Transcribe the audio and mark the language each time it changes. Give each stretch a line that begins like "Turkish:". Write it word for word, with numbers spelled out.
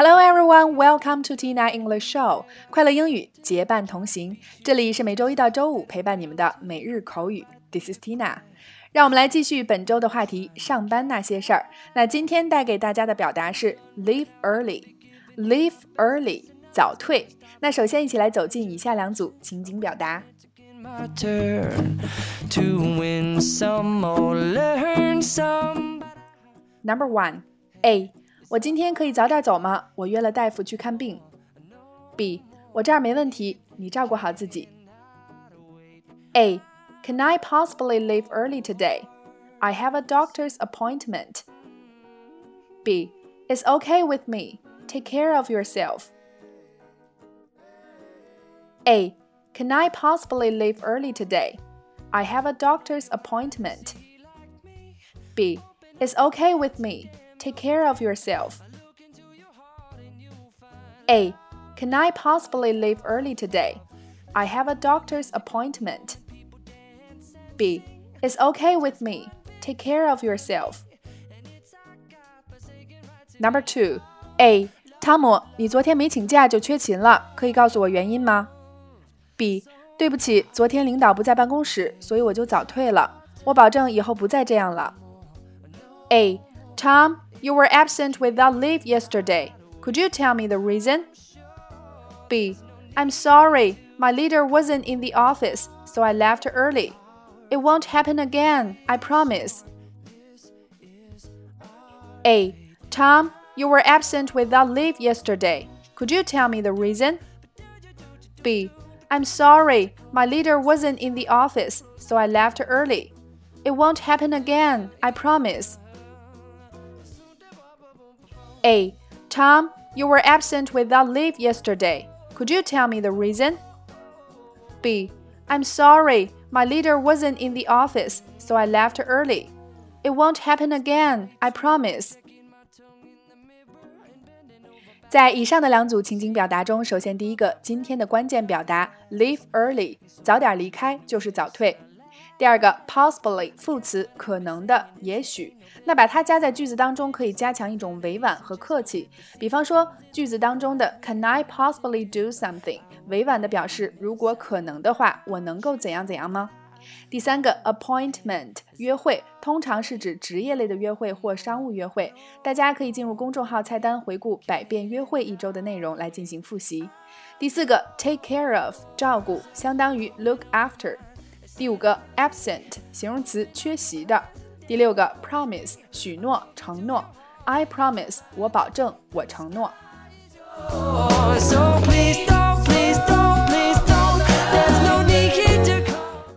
English: everyone, welcome to Tina English Show.
Chinese: 快乐英语结伴同行，这里是每周一到周五陪伴你们的每日口语。
English: This is Tina.
Chinese: 让我们来继续本周的话题，上班那些事儿。那今天带给大家的表达是 leave early, leave early, 早退。那首先一起来走进以下两组情景表达。
English: My turn to win some or learn some.
Chinese: Number one, A. 我今天可以早点走吗？我约了大夫去看病。B. 我这儿没问题，你照顾好自己。
English: A. Can I possibly leave early today? I have a doctor's appointment. B. It's okay with me. Take care of yourself. A. Can I possibly leave early today? I have a doctor's appointment. B. It's okay with me. Take care of yourself. A. Can I possibly leave early today? I have a doctor's appointment. B. It's okay with me. Take care of yourself. Number two. A.
Chinese: 汤姆，你昨天没请假就缺勤了，可以告诉我原因吗？
English: B.
Chinese: 对不起，昨天领导不在办公室，所以我就早退了。我保证以后不再这样了。
English: A. Tom, you were absent without leave yesterday. Could you tell me the reason? B. I'm sorry, my leader wasn't in the office, so I left early. It won't happen again, I promise. A. Tom, you were absent without leave yesterday. Could you tell me the reason? B. I'm sorry, my leader wasn't in the office, so I left early. It won't happen again, I promise. A. Tom, you were absent without leave yesterday. Could you tell me the reason? B. I'm sorry, my leader wasn't in the office, so I left early. It won't happen again, I promise.
Chinese: 在以上的两组情景表达中，首先第一个，今天的关键表达 leave early， 早点离开就是早退。第二个 possibly 副词，可能的，也许。那把它加在句子当中，可以加强一种委婉和客气。比方说，句子当中的 Can I possibly do something？委婉的表示，如果可能的话，我能够怎样怎样吗？第三个 appointment 约会，通常是指职业类的约会或商务约会，大家可以进入公众号菜单回顾百遍约会一周的内容来进行复习。第四个 take care of 照顾，相当于 look after。第五个 absent 形容词缺席的。第六个 promise 许诺承诺 I promise 我保证我承诺。
English: Oh, so please don't, please don't, please don't, there's no need here to come.